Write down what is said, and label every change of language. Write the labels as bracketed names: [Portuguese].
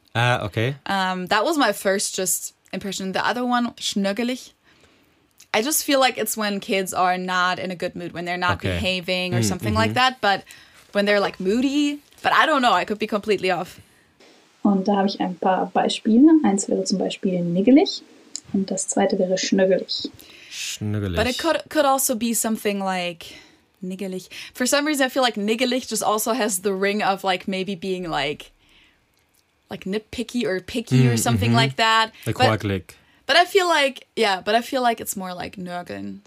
[English] Okay. That was my first just impression. The other one, schnöggelig. I just feel like it's when kids are not in a good mood, when they're not behaving or something like that. But when they're like moody, but I don't know, I could be completely off. [German] Und da habe ich ein paar Beispiele. Eins wäre zum Beispiel niggelig und das zweite wäre schnöggelig. Schnuggelig. [English] But it could also be something like niggelig. For some reason, I feel like niggelig just also has the ring of like maybe being like nitpicky or picky or something like that. Like quaglig. But I feel like, I feel like it's more like nörgeln.